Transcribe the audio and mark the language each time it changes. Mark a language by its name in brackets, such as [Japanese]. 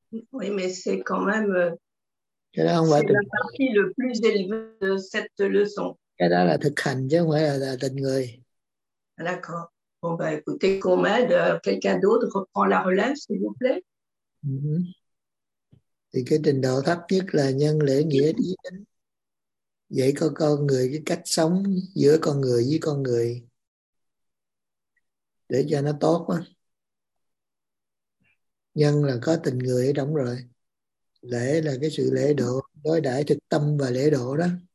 [French] Oui mais c'est quand même. [Vietnamese] Cái đó không phải tình người. [French] C'est la partie le plus élevée de cette leçon. [Vietnamese] Cái đó là thực hành chứ không phải là tình người. [French] D'accord. Bon ben écoutez qu'on m'aide, quelqu'un d'autre reprend la relève s'il vous plaît. [Vietnamese] Thì cái trình độ thấp nhất là nhân lễ nghĩa trí tính. Vậy có con người cái cách sống giữa con người với con người để cho nó tốt quá. Nhân là có tình người ở trong rồi. Lễ là cái sự lễ độ, đối đãi thực tâm và lễ độ đó.